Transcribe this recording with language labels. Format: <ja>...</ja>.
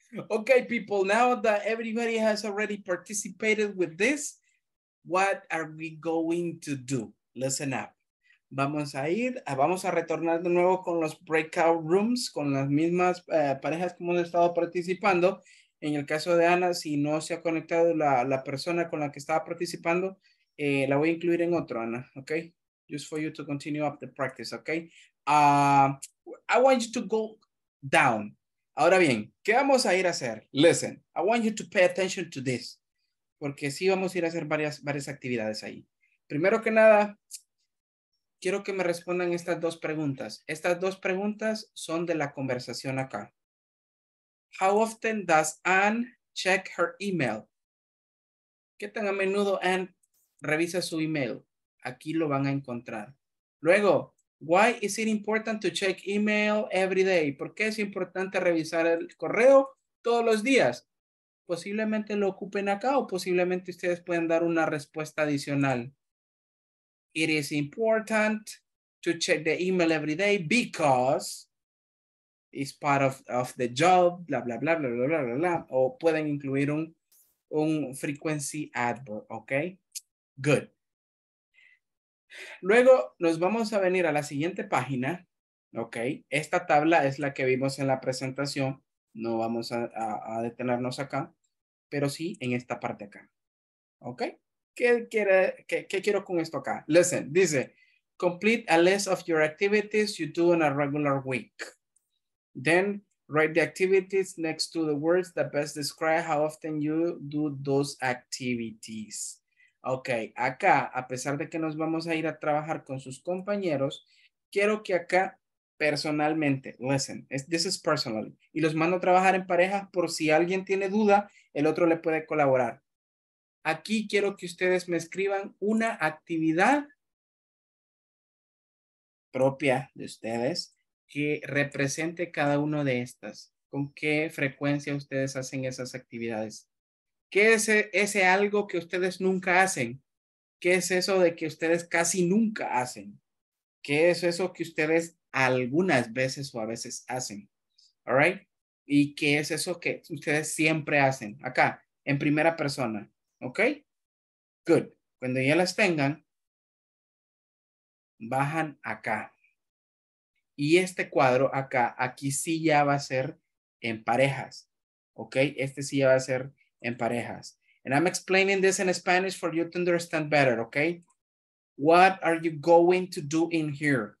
<en>Okay, people, now that everybody has already participated with this, what are we going to do? Listen up.</en> <es>Vamos a retornar de nuevo con los breakout rooms, con las mismas parejas que hemos estado participando. En el caso de Ana, si no se ha conectado la persona con la que estaba participando, la voy a incluir en otro, Ana, okay?</es> <en>Just for you to continue up the practice, okay? I want you to go down.</en> <es>Ahora bien, ¿qué vamos a ir a hacer?</es> <en>Listen, I want you to pay attention to this,</en> <es>porque sí vamos a ir a hacer varias actividades ahí. Primero que nada, quiero que me respondan estas dos preguntas. Estas dos preguntas son de la conversación acá.</es> <en>How often does Anne check her email?</en> <es>¿Qué tan a menudo Anne revisa su email? Aquí lo van a encontrar. Luego,</es> <en>why is it important to check email every day?</en> <es>¿Por qué es importante revisar el correo todos los días? Posiblemente lo ocupen acá o posiblemente ustedes pueden dar una respuesta adicional.</es> <en>It is important to check the email every day because it's part of the job, bla, bla, bla, bla, bla, bla, bla, bla.</en> <es>O pueden incluir un frequency adverb, okay? Good. Luego nos vamos a venir a la siguiente página, okay? Esta tabla es la que vimos en la presentación. No vamos a detenernos acá, pero sí en esta parte acá, okay? ¿Qué quiero con esto acá?</es> <en>Listen,</en> <es>dice,</es> <en>complete a list of your activities you do in a regular week. Then write the activities next to the words that best describe how often you do those activities.</en> <es>Okay, acá, a pesar de que nos vamos a ir a trabajar con sus compañeros, quiero que acá personalmente,</es> <en>listen, this is personally,</en> <es>y los mando a trabajar en parejas por si alguien tiene duda, el otro le puede colaborar. Aquí quiero que ustedes me escriban una actividad propia de ustedes que represente cada una de estas. ¿Con qué frecuencia ustedes hacen esas actividades? ¿Qué es ese algo que ustedes nunca hacen? ¿Qué es eso de que ustedes casi nunca hacen? ¿Qué es eso que ustedes algunas veces o a veces hacen?</es> <en>All right?</en> <es>¿Y qué es eso que ustedes siempre hacen? Acá, en primera persona. Okay, good. Cuando ya las tengan, bajan acá. Y este cuadro acá, aquí sí ya va a ser en parejas. Okay, este sí ya va a ser en parejas.</es> <en>And I'm explaining this in Spanish for you to understand better, okay? What are you going to do in here?</en>